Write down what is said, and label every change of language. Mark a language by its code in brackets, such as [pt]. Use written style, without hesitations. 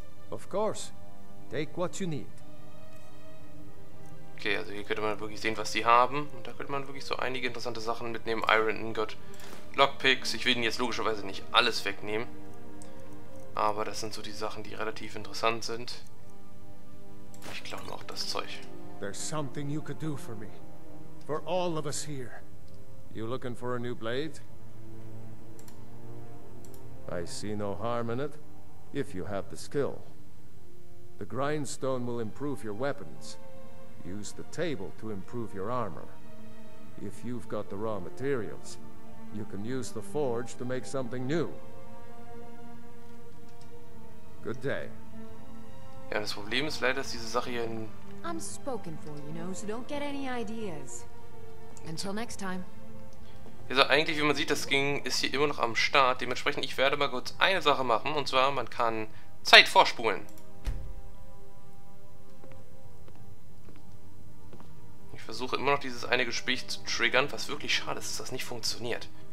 [en] Of course. Take what you need. [de] Okay, also hier könnte man wirklich sehen, was sie haben. Und da könnte man wirklich so einige interessante Sachen mitnehmen. Iron Ingot, Lockpicks. Ich will ihnen jetzt logischerweise nicht alles wegnehmen. Aber das sind so die Sachen, die relativ interessant sind. Ich glaube auch das Zeug. [en] There's something you could do for me. For all of us here. You looking for a new blade? I see no harm in it, if you have the skill. The grindstone will improve your weapons. Use the table to improve your armor. If you've got the raw materials, you can use the forge to make something new. Good day. [de] Ja, das Problem ist leider, dass diese Sache hier in... [en] I'm spoken for, you know, so don't get any ideas. Until next time. [de] Also eigentlich, wie man sieht, das ging, ist hier immer noch am Start. Dementsprechend, ich werde mal kurz eine Sache machen, und zwar, man kann Zeit vorspulen. Ich versuche immer noch dieses eine Gespräch zu triggern, was wirklich schade ist, dass das nicht funktioniert.